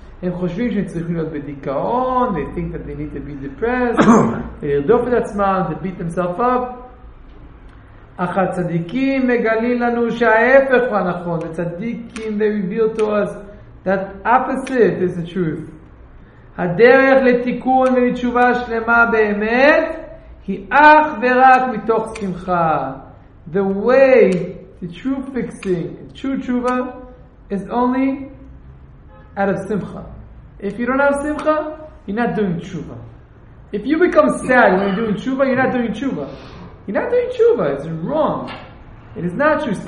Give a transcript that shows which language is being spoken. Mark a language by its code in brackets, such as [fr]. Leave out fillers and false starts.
[he] הם חושבים שהם צריכים להיות בדיכאון, [en] they think that they need to be depressed, [he] לרדוף את עצמם, [en] to beat themselves up. [he] אך הצדיקים מגלים לנו שההפך הוא הנכון, [en] the צדיקים, they reveal to us that opposite is the truth. [he] הדרך לתיקון ולתשובה שלמה באמת, היא אך ורק מתוך שמחה. [en] The way, the true fixing, the true תשובה, is only out of simcha. If you don't have simcha, you're not doing tshuva. If you become sad when you're doing tshuva, you're not doing tshuva. You're not doing tshuva. It's wrong. It is not true.